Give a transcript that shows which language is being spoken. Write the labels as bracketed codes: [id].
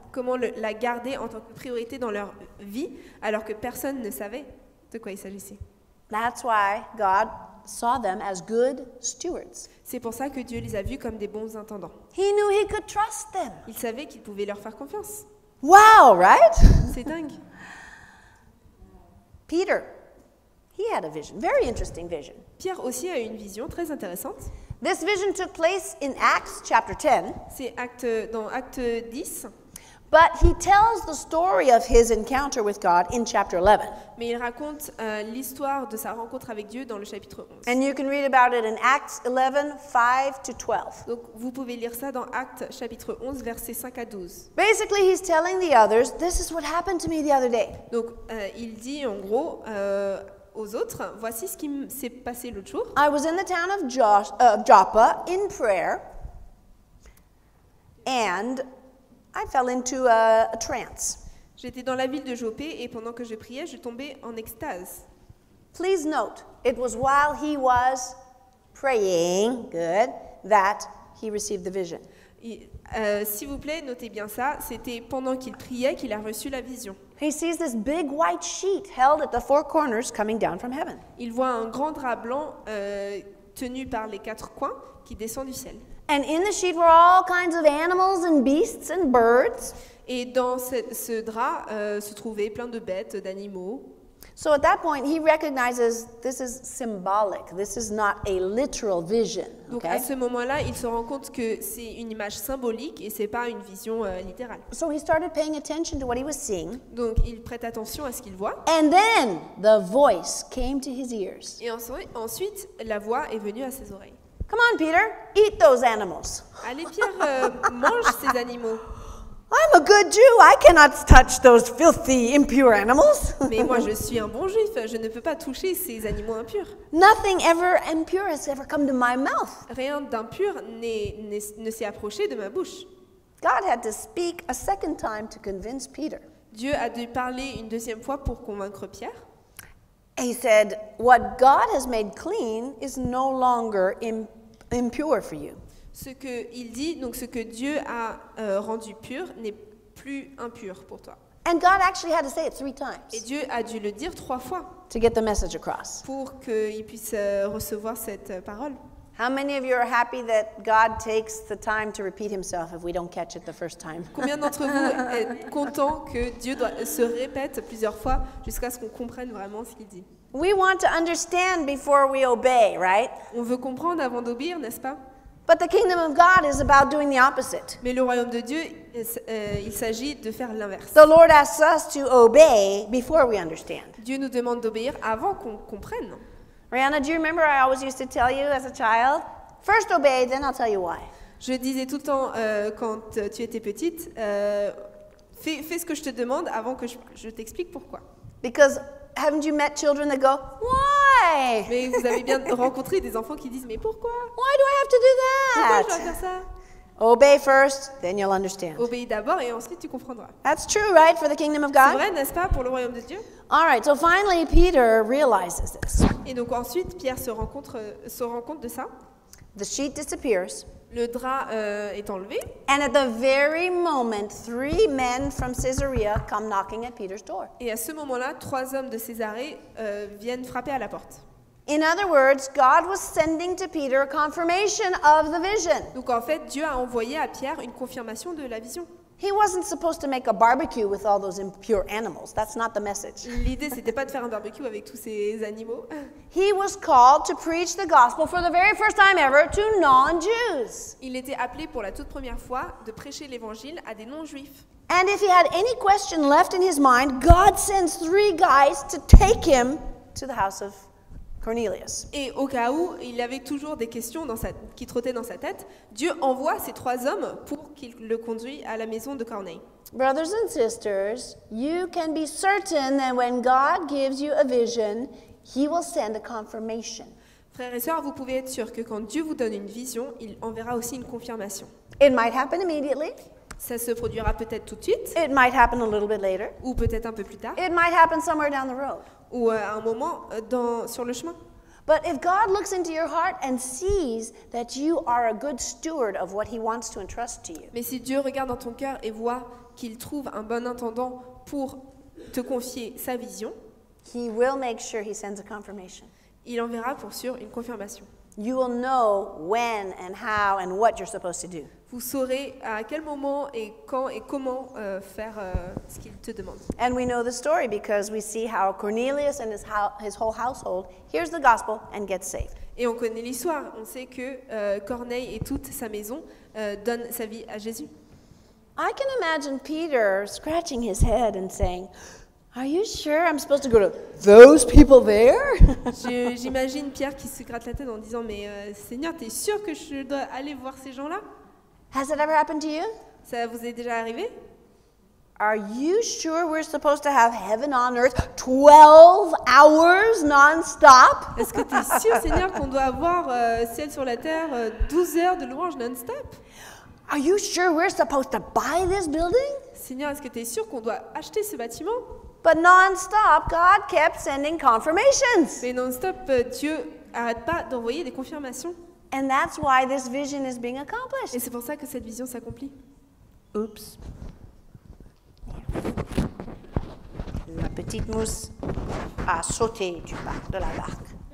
[fr] Comment la garder en tant que priorité dans leur vie alors que personne ne savait de quoi il s'agissait. [en] That's why God saw them as good stewards. [fr] C'est pour ça que Dieu les a vus comme des bons intendants. [en] He knew he could trust them. [fr] Il savait qu'il pouvait leur faire confiance. [en] Wow, right? [fr] C'est dingue. [en] Peter, he had a vision, very interesting vision. [fr] Pierre aussi a eu une vision très intéressante. [en] This vision took place in Acts chapter 10. [fr] C'est dans Acte 10. [en] But he tells the story of his encounter with God in chapter 11. [fr] Mais il raconte l'histoire de sa rencontre avec Dieu dans le chapitre 11. [en] And you can read about it in Acts 11, 5 to 12. [fr] Donc vous pouvez lire ça dans Actes chapitre 11, versets 5 à 12. [en] Basically, he's telling the others, "This is what happened to me the other day." [fr] Donc il dit en gros aux autres, voici ce qui s'est passé l'autre jour. [en] I was in the town of Joppa in prayer, and I fell into a trance. [fr] J'étais dans la ville de Joppé et pendant que je priais, je tombais en extase. [en] Please note, it was while he was praying, good, that he received the vision. [fr] S'il vous plaît, notez bien ça, c'était pendant qu'il priait qu'il a reçu la vision. [en] He sees this big white sheet held at the four corners coming down from heaven. [fr] Il voit un grand drap blanc tenu par les quatre coins qui descend du ciel. [en] And in the sheet were all kinds of animals and beasts and birds. [fr] Et dans ce drap se trouvaient plein de bêtes, d'animaux. [en] So at that point, he recognizes this is symbolic. This is not a literal vision. Okay? [fr] Donc à ce moment-là, il se rend compte que c'est une image symbolique et c'est pas une vision littérale. [en] So he started paying attention to what he was seeing. [fr] Donc il prête attention à ce qu'il voit. [en] And then the voice came to his ears. [fr] Et ensuite, la voix est venue à ses oreilles. [en] Come on, Peter, eat those animals. [fr] Allez, Pierre, mange ces animaux. [en] I'm a good Jew. I cannot touch those filthy, impure animals. [fr] Mais moi, je suis un bon Juif. Je ne peux pas toucher ces animaux impurs. [en] Nothing ever impure has ever come to my mouth. [fr] Rien d'impur ne s'est approché de ma bouche. [en] God had to speak a second time to convince Peter. [fr] Dieu a dû parler une deuxième fois pour convaincre Pierre. [en] He said, "What God has made clean is no longer impure for you." [fr] Ce que il dit, donc ce que Dieu a rendu pur, n'est plus impur pour toi. [en] And God actually had to say it three times. [fr] Et Dieu a dû le dire trois fois. [en] To get the message across. [fr] Pour que il puisse recevoir cette parole. [en] How many of you are happy that God takes the time to repeat himself if we don't catch it the first time? [fr] Combien d'entre vous est content que Dieu se répète plusieurs fois jusqu'à ce qu'on comprenne vraiment ce qu'il dit? [en] We want to understand before we obey, right? [fr] On veut comprendre avant d'obéir, n'est-ce pas? [en] But the kingdom of God is about doing the opposite. [fr] Mais le royaume de Dieu, il s'agit de faire l'inverse. [en] The Lord asks us to obey before we understand. [fr] Dieu nous demande d'obéir avant qu'on comprenne. [en] Rihanna, do you remember I always used to tell you as a child, first obey, then I'll tell you why. [fr] Je disais tout le temps quand tu étais petite, fais ce que je te demande avant que je t'explique pourquoi. [en] Because haven't you met children that go, why? [fr] Mais vous avez bien rencontré des enfants qui disent, mais pourquoi? [en] Why do I have to do that? [fr] Pourquoi je dois faire ça? [en] Obey first, then you'll understand. [fr] Obéis d'abord et ensuite tu comprendras. [en] That's true, right, for the kingdom of God? [fr] C'est vrai, n'est-ce pas, pour le royaume de Dieu? [en] All right, so finally Peter realizes this. [fr] Et donc ensuite Pierre se rend compte de ça. [en] The sheet disappears. [fr] Le drap est enlevé. [en] And at the very moment, three men from Caesarea come knocking at Peter's door. [fr] Et à ce moment-là, trois hommes de Césarée viennent frapper à la porte. [en] In other words, God was sending to Peter a confirmation of the vision. [fr] Donc en fait, Dieu a envoyé à Pierre une confirmation de la vision. [en] He wasn't supposed to make a barbecue with all those impure animals. That's not the message. [fr] L'idée c'était pas de faire un barbecue avec tous ces animaux. [en] He was called to preach the gospel for the very first time ever to non-Jews. [fr] Il était appelé pour la toute première fois de prêcher l'évangile à des non-juifs. [en] And if he had any question left in his mind, God sends three guys to take him to the house of Cornelius. [fr] Et au cas où il avait toujours des questions qui trottaient dans sa tête, Dieu envoie ces trois hommes pour qu'il le conduise à la maison de Corneille. [en] Brothers and sisters, you can be certain that when God gives you a vision, he will send a confirmation. [fr] Frères et sœurs, vous pouvez être sûrs que quand Dieu vous donne une vision, il enverra aussi une confirmation. [en] It might happen immediately. [fr] Ça se produira peut-être tout de suite. [en] It might happen a little bit later. [fr] Ou peut-être un peu plus tard. [en] It might happen somewhere down the road. [fr] Ou à un moment sur le chemin. [en] But if God looks into your heart and sees that you are a good steward of what he wants to entrust to you. [fr] Mais si Dieu regarde dans ton cœur et voit qu'il trouve un bon intendant pour te confier sa vision, [en] he will make sure he sends a confirmation. [fr] Il enverra pour sûr une confirmation. [en] You will know when and how and what you're supposed to do. [fr] Vous saurez à quel moment et quand et comment faire ce qu'il te demande. [en] And we know the story because we see how Cornelius and his whole household hears the gospel and gets saved. [fr] Et on connaît l'histoire. On sait que Corneille et toute sa maison donnent sa vie à Jésus. [en] I can imagine Peter scratching his head and saying, "Are you sure I'm supposed to go to those people there?" [fr] J'imagine Pierre qui se gratte la tête en disant, "Mais Seigneur, t'es sûr que je dois aller voir ces gens-là?" [en] Has it ever happened to you? [fr] Ça vous est déjà arrivé? [en] Are you sure we're supposed to have heaven on earth 12 hours non-stop? [fr] Est-ce que tu es sûr, Seigneur, qu'on doit avoir ciel sur la terre 12 heures de louange non-stop? [en] Are you sure we're supposed to buy this building? [fr] Seigneur, est-ce que tu es sûr qu'on doit acheter ce bâtiment? [en] But non-stop, God kept sending confirmations. [fr] Mais non-stop, Dieu arrête pas d'envoyer des confirmations. [en] And that's why this vision is being accomplished. [fr] Et c'est pour ça que cette vision s'accomplit. [en] Oops. [fr] La petite mousse a sauté du bas de la barque.